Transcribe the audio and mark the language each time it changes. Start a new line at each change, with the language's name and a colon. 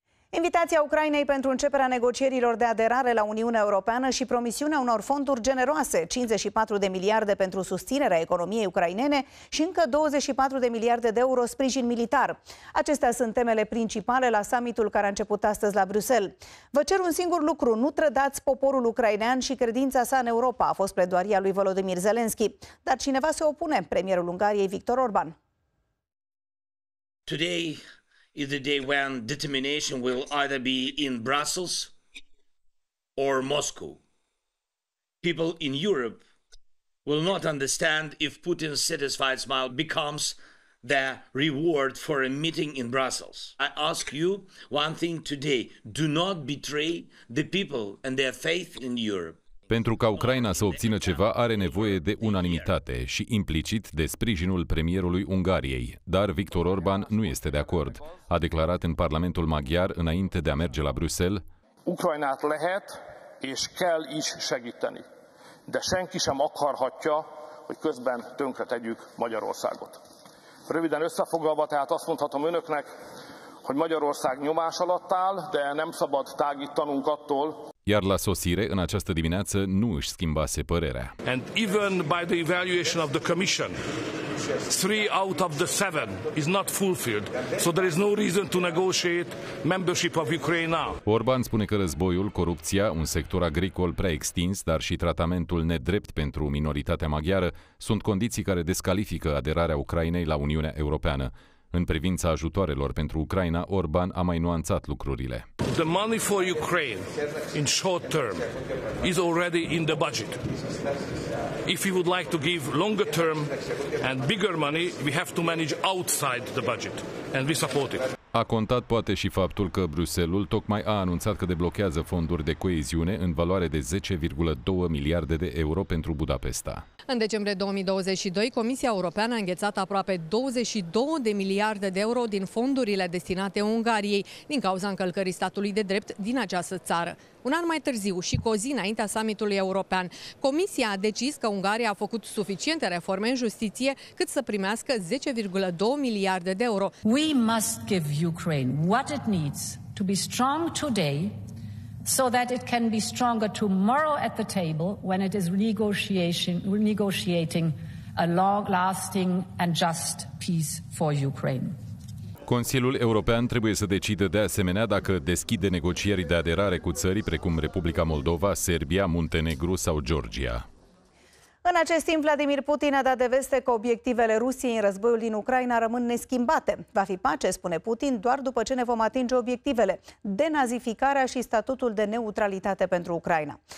Romanian: Invitația Ucrainei pentru începerea negocierilor de aderare la Uniunea Europeană și promisiunea unor fonduri generoase, 54 de miliarde pentru susținerea economiei ucrainene și încă 24 de miliarde de euro sprijin militar. Acestea sunt temele principale la summitul care a început astăzi la Bruxelles. Vă cer un singur lucru, nu trădați poporul ucrainean și credința sa în Europa, a fost pledoaria lui Volodymyr Zelensky. Dar cineva se opune, premierul Ungariei Viktor Orban.
English: Today is the day when determination will either be in Brussels or Moscow. People in Europe will not understand if Putin's satisfied smile becomes the reward for a meeting in Brussels. I ask you one thing today, do not betray the people and their faith in Europe.
Romanian: Pentru ca Ucraina să obțină ceva, are nevoie de unanimitate și implicit de sprijinul premierului Ungariei. Dar Viktor Orban nu este de acord. A declarat în Parlamentul Maghiar înainte de a merge la Bruxelles.
Hungarian: Ucrainát lehet és kell is segíteni, de senki sem akarhatja, hogy közben tönkre tegyük Magyarországot. Röviden összefoglalva, tehát azt mondhatom önöknek, hogy Magyarország nyomás alatt áll, de nem szabad tágítanunk attól.
Romanian: Iar la sosire, în această dimineață, nu își schimbase părerea.
English: And even by the evaluation of the commission, 3 out of 7 is not fulfilled, so there is no reason to negotiate membership of Ukraine now.
Romanian: Orban spune că războiul, corupția, un sector agricol prea extins, dar și tratamentul nedrept pentru minoritatea maghiară, sunt condiții care descalifică aderarea Ucrainei la Uniunea Europeană. În privința ajutoarelor pentru Ucraina, Orban a mai nuanțat lucrurile.
English: The money for Ukraine in short term is already in the budget. If we would like to give longer term and bigger money, we have to manage outside the budget and we support it.
Romanian: A contat poate și faptul că Bruxelles tocmai a anunțat că deblochează fonduri de coeziune în valoare de 10,2 miliarde de euro pentru Budapesta. În decembrie 2022, Comisia Europeană a înghețat aproape 22 de miliarde de euro din fondurile destinate Ungariei din cauza încălcării statului de drept din această țară. Un an mai târziu și cu o zi înaintea summitului european, Comisia a decis că Ungaria a făcut suficiente reforme în justiție cât să primească 10,2 miliarde de euro.
English: We must give Ukraine what it needs to be strong today so that it can be stronger tomorrow at the table when it is negotiating a long-lasting and just peace for Ukraine.
Romanian: Consiliul European trebuie să decidă de asemenea dacă deschide negocieri de aderare cu țări precum Republica Moldova, Serbia, Muntenegru sau Georgia. În acest timp, Vladimir Putin a dat de veste că obiectivele Rusiei în războiul din Ucraina rămân neschimbate. Va fi pace, spune Putin, doar după ce ne vom atinge obiectivele, denazificarea și statutul de neutralitate pentru Ucraina.